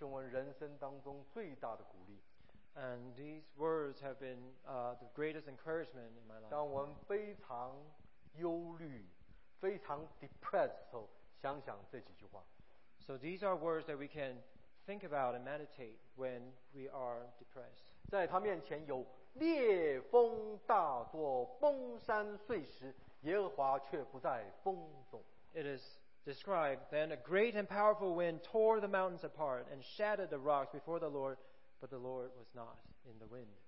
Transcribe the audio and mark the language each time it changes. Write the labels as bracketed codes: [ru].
[zh] 接下去这几句话是我人生当中最大的鼓励。 [en] And these words have been the greatest encouragement in my life. [zh] 当我们非常忧虑，非常 depressed 的时候，想想这几句话。 [en] So these are words that we can think about and meditate when we are depressed. [zh] 在他面前有烈风大作，崩山碎石。耶和华却不在风中。 [en] It is described, then a great and powerful wind tore the mountains apart and shattered the rocks before the Lord, but the Lord was not in the wind.